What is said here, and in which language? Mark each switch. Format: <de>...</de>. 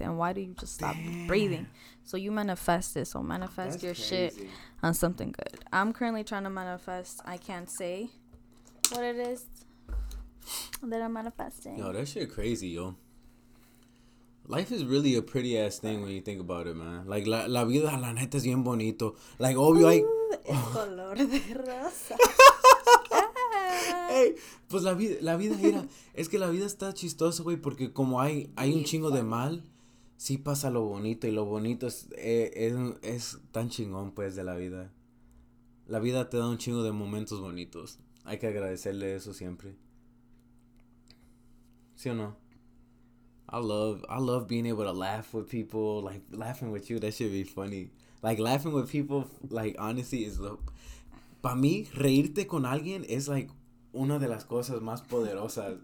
<en>And why do you just stop breathing? So you manifest it. So manifest your shit on something good. I'm currently trying to manifest. I can't say what it is that I'm manifesting. Yo, that shit crazy, yo. Life is really a pretty ass thing when you think about it, man.</en> <es>Like, la vida, la neta, es bien bonito. Like, obvio, ooh, hay... color de rosa. Hey, pues la vida, mira, es que la vida está chistosa, güey, porque como hay un chingo de mal, sí pasa lo bonito, y lo bonito es tan chingón, pues, de la vida. La vida te da un chingo de momentos bonitos. Hay que agradecerle eso siempre. ¿Sí o no?</es> <en>I love being able to laugh with people, like, laughing with you, that should be funny. Like, laughing with people, like, honestly, is the...</en> <es>Para mí, reírte con alguien es, like, una de las cosas más poderosas.</es>